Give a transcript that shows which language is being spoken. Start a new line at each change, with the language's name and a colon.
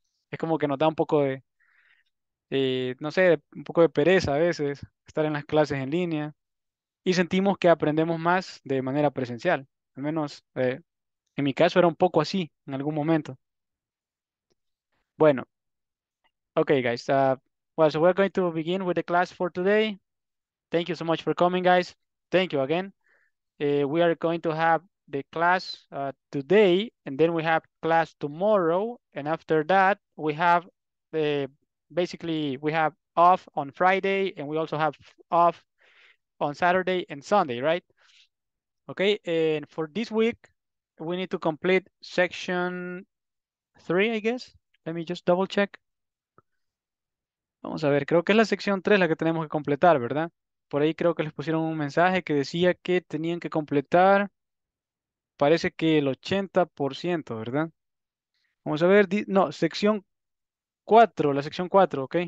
Spanish: Es como que nos da un poco de, no sé, un poco de pereza a veces estar en las clases en línea y sentimos que aprendemos más de manera presencial. Al menos en mi caso era un poco así en algún momento. Bueno, okay, guys.
English: Well, so we're going to begin with the class for today. Thank you so much for coming, guys. Thank you again. We are going to have the class today, and then we have class tomorrow. And after that, we have we have off on Friday, and we also have off on Saturday and Sunday, right? Okay, and for this week, we need to complete section 3, I guess. Let me just double check.
Spanish: Vamos a ver, creo que es la sección 3 la que tenemos que completar, ¿verdad? Por ahí creo que les pusieron un mensaje que decía que tenían que completar, parece que el 80%, ¿verdad? Vamos a ver, no, sección 4, la sección 4, ¿ok?